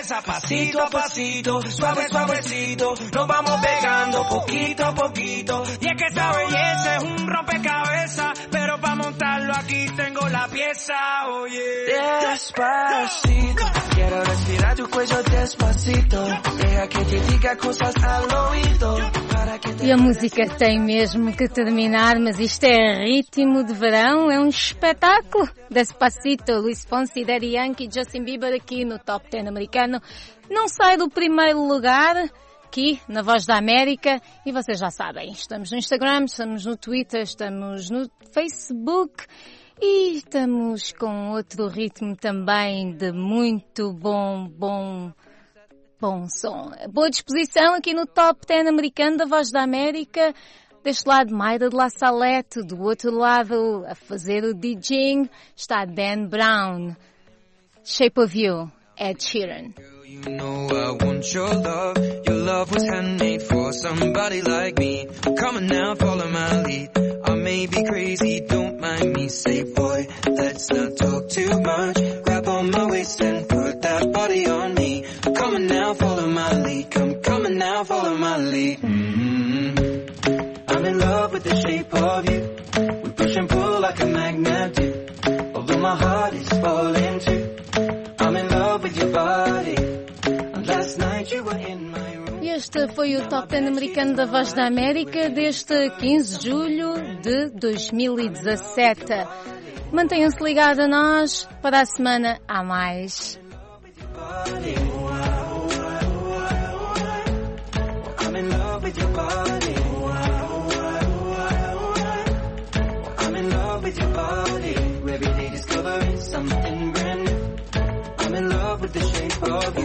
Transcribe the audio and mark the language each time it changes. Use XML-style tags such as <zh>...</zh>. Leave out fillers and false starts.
<es>Pasito a pasito, suave, suavecito, nos vamos pegando poquito a poquito. Y es que esta belleza es un rompecabezas, pero pa' montarlo aquí tengo la pieza, oye.</es> <en>Oh yeah.</en> <es>Despacito, quiero respirar tu cuello despacito. Deja que te diga cosas al oído.</es> <pt>E a música tem mesmo que terminar, mas isto é ritmo de verão, é um espetáculo. Despacito, Luis Fonsi, Daddy Yankee, Justin Bieber aqui no Top 10 americano. Não sai do primeiro lugar aqui na Voz da América. E vocês já sabem, estamos no Instagram, estamos no Twitter, estamos no Facebook. E estamos com outro ritmo também de muito bom som. Boa disposição aqui no Top 10 americano da Voz da América. Deste lado, Mayra de La Salette. Do outro lado, a fazer o DJing, está Dan Brown.</pt> <en>Shape of You, Ed Sheeran. Girl, you know I want your love. Your love was handmade for somebody like me. Come on now, follow my lead. I may be crazy, don't mind me. Say boy, let's not talk too much. Grab on my waist and put that body on me. Now follow my lead, come on now, follow my lead. Mm-hmm. I'm in love with the shape of you. We push and pull like a magnet do. Although my heart is falling too, I'm in love with your body. And last night you were in my room.</en> <pt>Este foi o Top 10 americano da Voz da América deste 15 de julho de 2017. Mantenham-se ligados a nós. Para a semana há mais.</pt> <en>I'm in love with your body. I'm in love with your body. I'm in love with your body. Every day discovering something brand new. I'm in love with the shape of you.</en>